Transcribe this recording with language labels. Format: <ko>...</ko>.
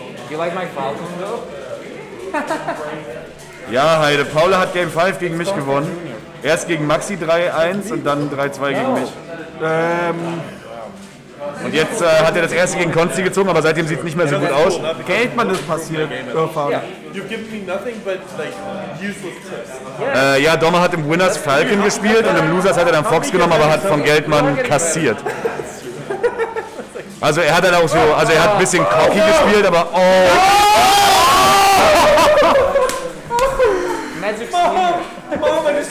<en>You like my Falcon, though?</en> <de>Ja, Heide. Paula hat Game 5 gegen mich gewonnen. Erst gegen Maxi 3-1 und dann 3-2 gegen mich. Und jetzt hat er das erste gegen Consti gezogen, aber seitdem sieht es nicht mehr so gut aus. Geldmann ist passiert.</de> <en>You give me nothing but like useless tips.</en> <de>Ja, Dommer hat im Winners Falcon gespielt und im Losers hat er dann Fox genommen, aber hat vom Geldmann kassiert. Also er hat dann auch so, also er hat ein bisschen cocky gespielt, aber oh.</de> <en>Magic Spoon. Mom, I just</en>